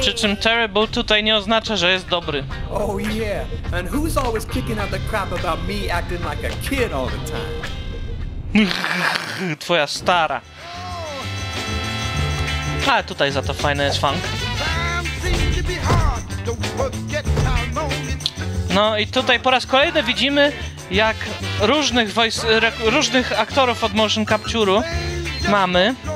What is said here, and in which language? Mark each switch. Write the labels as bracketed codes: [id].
[pl] Przy czym terrible tutaj nie oznacza, że jest dobry. [en] Oh yeah, and who's always kicking out the crap about me acting like a kid all the time? [pl] Twoja stara. A tutaj za to fajny jest funk. No i tutaj po raz kolejny widzimy, jak różnych różnych aktorów od motion capture'u mamy.